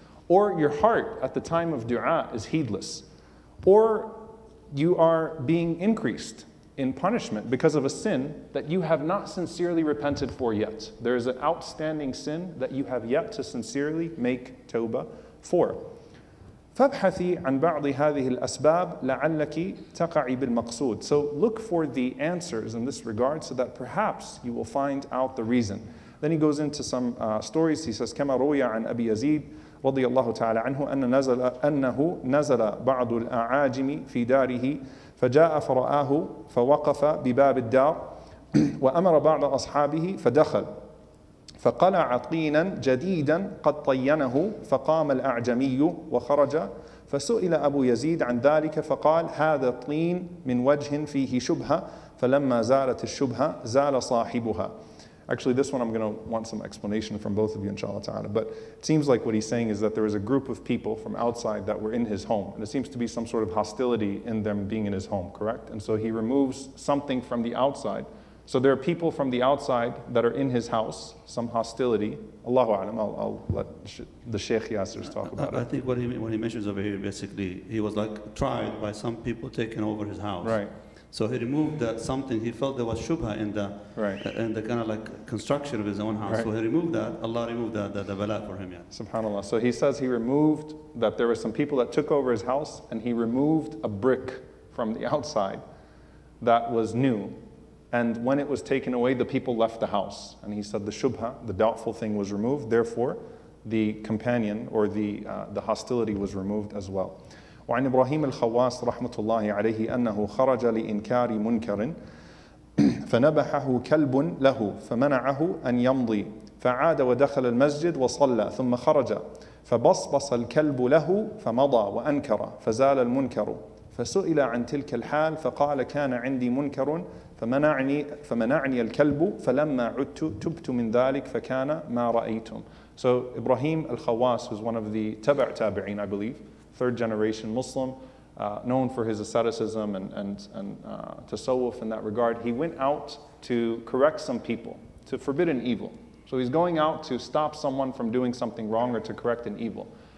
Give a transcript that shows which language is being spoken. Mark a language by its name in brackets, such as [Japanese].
[English] Or your heart at the time of dua is heedless. Or you are being increased in punishment because of a sin that you have not sincerely repented for yet. There is an outstanding sin that you have yet to sincerely make tawbah for. [Arabic] فابحثي عن بعض هذه الأسباب لعلك تقعي بالمقصود. [English] So look for the answers in this regard so that perhaps you will find out the reason. Then he goes into some stories. He says, [Arabic] كما روي عن أبي يزيد رضي الله تعالى عنه أنه نزل بعض الأعاجم في داره فجاء فرآه فوقف بباب الدار وأمر بعض أصحابه فدخل فقلع طينا جديدا قد طينه فقام الأعجمي وخرج فسئل أبو يزيد عن ذلك فقال هذا الطين من وجه فيه شبهة فلما زالت الشبهة زال صاحبها. [English] Actually, this one I'm going to want some explanation from both of you, inshallah ta'ala. But it seems like what he's saying is that there was a group of people from outside that were in his home. And it seems to be some sort of hostility in them being in his home, correct? And so he removes something from the outside. So there are people from the outside that are in his house, some hostility. Allahu alam, I'll let the Sheikh Yasser's talk about it. I think what he mentions over here, basically, he was like tried by some people taking over his house. Right. So he removed that something, he felt there was shubha in the in the kind of like construction of his own house. Right. So he removed that, Allah removed the bala for him. Yeah. SubhanAllah. So he says he removed that there were some people that took over his house and he removed a brick from the outside that was new And when it was taken away, the people left the house. And he said the shubha, the doubtful thing, was removed. Therefore, the companion or the hostility was removed as well. [Arabic] وعن إبراهيم الخواص رحمة الله عليه أنه خرج لإنكار منكر فنبحه كلب له فمنعه أن يمضي فعاد ودخل المسجد وصلى ثم خرج فبصبص الكلب له فمضى وأنكر فزال المنكر فسئل عن تلك الحال فقال كان عندي منكر فمنعني الكلب فلما عدت تبت من ذلك فكان ما رأيتم. [English] So Ibrahim al-Khawas was one of the Tabi' Tabi'een, I believe, third generation Muslim, known for his asceticism and tasawwuf in that regard. He went out to correct some people, to forbid an evil. So he's going out to stop someone from doing something wrong or to correct an evil.